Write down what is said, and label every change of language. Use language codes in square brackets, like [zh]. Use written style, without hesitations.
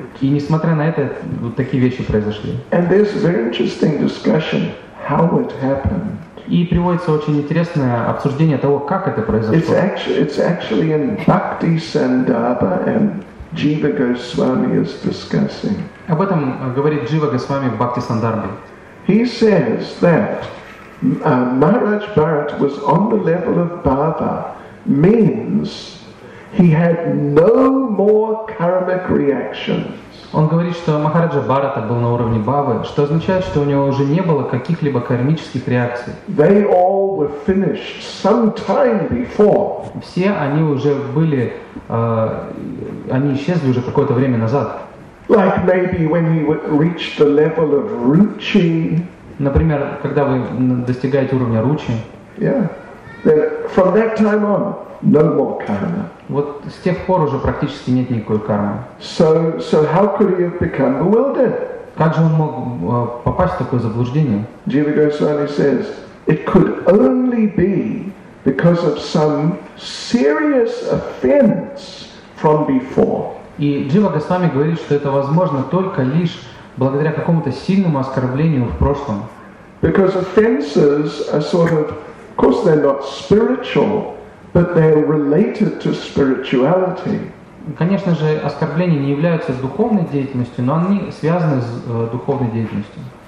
[ru] И несмотря на это, вот такие вещи произошли. [en] And there's very interesting discussion how it happened. [ru] И приводится очень интересное обсуждение того, как это произошло. [en] It's actually in Bhakti Sandarbha and Jiva Goswami is discussing. [ru] Об этом говорит Джива Госвами в Бхакти Сандарбе. [en] He says that Maharaj Bharat was on the level of Bhava means He had no more karmic reactions. [ru] Он говорит, что Махараджа Бхарата был на уровне Бхавы, что означает, что у него уже не было каких-либо кармических реакций. [en] They all were finished some time before. [ru] Все они уже были, они исчезли уже какое-то время назад. [en] Like maybe when he reached the level of Ruchi. [ru] Например, когда вы достигаете уровня Ручи. [en] Yeah. From that time on, no more karma. [ru] Вот с тех пор уже практически нет никакой кармы. [en] So how could he have become bewildered? [ru] Как же он мог попасть в такое заблуждение? [en] Jiva Goswami says, it could only be because of some serious offense from before. [ru] И Джива Госвами говорит, что это возможно только лишь благодаря какому-то сильному оскорблению в прошлом. [en] Because offenses are sort of course they're not spiritual, but they're related to spirituality. [ru] Конечно же, оскорбления не являются духовной деятельностью, но они связаны с духовной деятельностью.